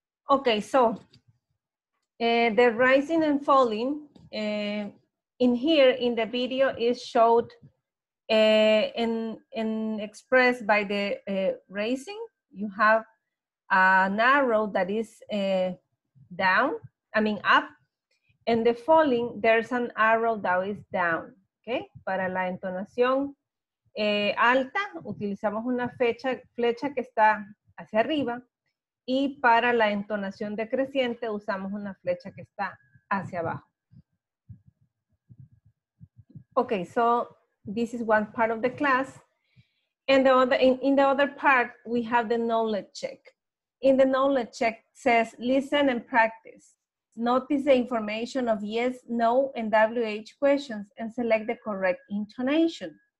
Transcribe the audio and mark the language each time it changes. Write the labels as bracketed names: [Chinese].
[English] Okay, so the rising and falling in here in the video is showed and expressed by the rising. You have an arrow that is up, and the falling, there's an arrow that is down. [Spanish] Okay, para la entonación alta, utilizamos una flecha que está hacia arriba. Y para la entonación decreciente usamos una flecha que está hacia abajo. [English] Okay, so this is one part of the class. And in the other part, we have the knowledge check. In the knowledge check says, listen and practice. Notice the information of yes, no, and WH questions and select the correct intonation.